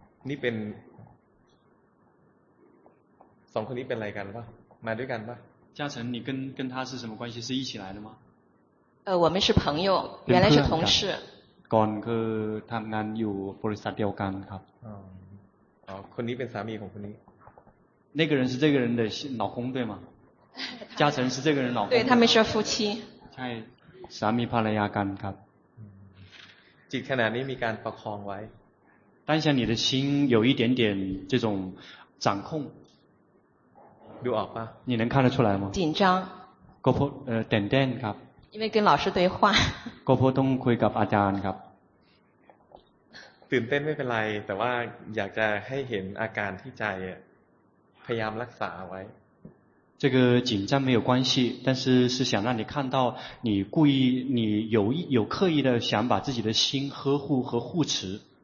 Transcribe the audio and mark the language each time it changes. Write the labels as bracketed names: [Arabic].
[Thai] นี่เป็นสองคนนี้เป็นอะไรกันป่ะ？ มาด้วยกันป่ะ？ [Chinese] 嘉诚，你跟他是什么关系？是一起来的吗？我们是朋友原来是同事 [Thai] ก่อนคือทำงานอยู่บริษัทเดียวกันครับ คนนี้เป็นสามีของคนนี้ [Chinese] 那个人是这个人的老公对吗嘉诚是这个人老公对他们是夫妻 [Thai] ใช่สามีภรรยากันครับ จิตขณะนี้มีการประคองไว้ [Chinese] 当下你的心有一点点这种掌控 [Thai] ดูออกป่ะ [Chinese] 你能看得出来吗紧张 [Thai] ก็เพราะแต่งๆครับ [Chinese] 因为跟老师对话 [Thai] ก็เพราะต้องคุยกับอาจารย์ครับ ตื่นเต้นไม่เป็นไรแต่ว่าอยากจะให้เห็นอาการที่ใจพยายามรักษาไว้ [Chinese] 这个紧张没有关系但是是想让你看到你故意你有刻意的想把自己的心呵护和护持